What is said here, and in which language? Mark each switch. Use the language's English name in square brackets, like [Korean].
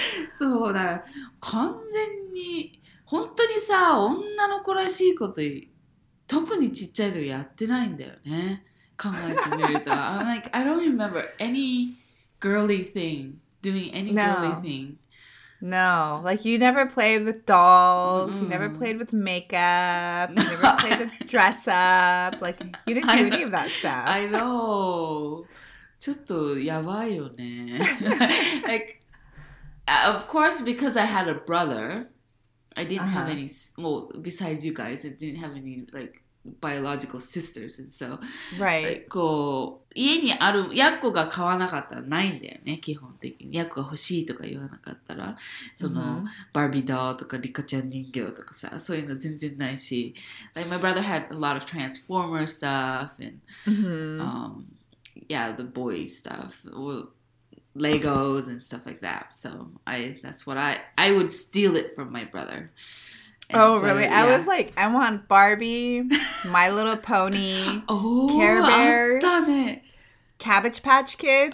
[Japanese] そうだ、完全に本当にさ、女の子らしいこと特にちっちゃい時やってないんだよね。考えてみると、 [English] I'm like I don't remember any girly thing doing any girly thing. No, like you never played with dolls. Mm-hmm. You never played with makeup. You never played with dress up. Like you didn't do any of that stuff. I know. [Japanese] ちょっとやばいよね。 [English] Like. Of course, because I had a brother, I didn't have any, well, besides you guys, I didn't have any, like, biological sisters, and so. Right. [Japanese] Like, こう、家にある、ヤッコが買わなかったらないんだよね、基本的に。ヤッコが欲しいとか言わなかったら、その、mm-hmm. バービードーとかリカちゃん人形とかさ、そういうの全然ないし。 [English] Like, my brother had a lot of Transformer stuff, and,、 mm-hmm. Yeah, the boy stuff. Well,Legos and stuff like that. So that's what I would steal it from my brother. Oh, really? Yeah. I was like, I want Barbie, My Little Pony, Care Bears, Cabbage Patch Kids.